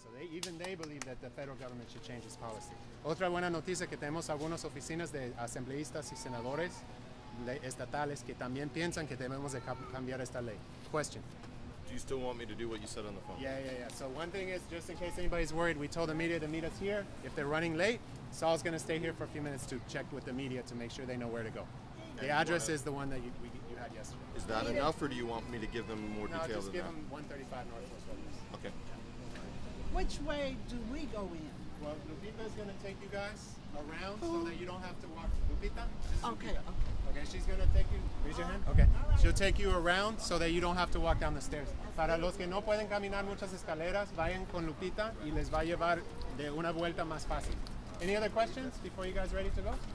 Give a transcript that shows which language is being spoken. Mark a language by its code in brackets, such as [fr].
[en] Even they believe that the federal government should change its policy. [es] Otra buena noticia que tenemos algunas oficinas de asambleístas y senadores estatales que también piensan que debemos de cambiar esta ley. [en] Question. Do you still want me to do what you said on the phone? Yeah. So one thing is, just in case anybody's worried, we told the media to meet us here. If they're running late, Saul's going to stay here for a few minutes to check with the media to make sure they know where to go. The address is the one that you had yesterday. Is that enough, or do you want me to give them more details than that? No, just give them 135 Northwest. Okay. Which way do we go in? Well, Lupita is going to take you guys around so that you don't have to walk. Lupita? Okay. Okay, she's going to take you. Raise your hand. Okay. Right. She'll take you around so that you don't have to walk down the stairs. [es] Para los que no pueden caminar muchas escaleras, vayan con Lupita y les va a llevar de una vuelta más fácil. [en] Any other questions before you guys ready to go?